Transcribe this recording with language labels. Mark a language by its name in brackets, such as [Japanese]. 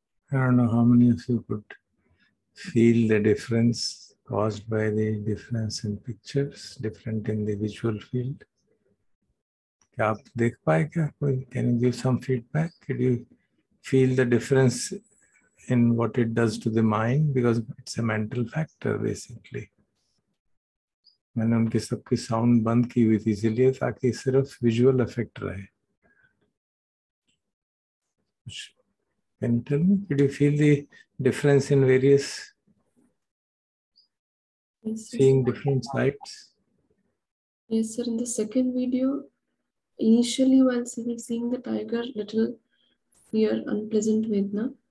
[English] I don't know how many of you could feel the difference caused by the difference in pictures, different in the visual field. Can you give some feedback? Could you feel the difference in what it does to the mind? Because it's a mental factor, basically. [Hindi] मैंने उनके सबकी sound बंद की हुई थी इसलिए ताकि सिर्फ visual effect रहे. [English] Can you tell me? Did you feel the difference in various seeing different sites? Yes, sir. In the second video, initially while seeing the tiger, little fear, unpleasant Vedana.